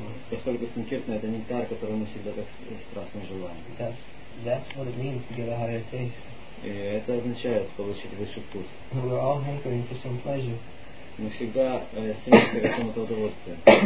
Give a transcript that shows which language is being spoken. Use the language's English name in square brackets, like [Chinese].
[Russian] Поскольку санкиртана — это нектар, который мы всегда так страстно желаем. [English] That's what it means to get a higher taste. [Russian] И это означает получить высший вкус. [English] We're all hankering for some pleasure. [Russian] Мы всегда стремимся к какому-то удовольствию.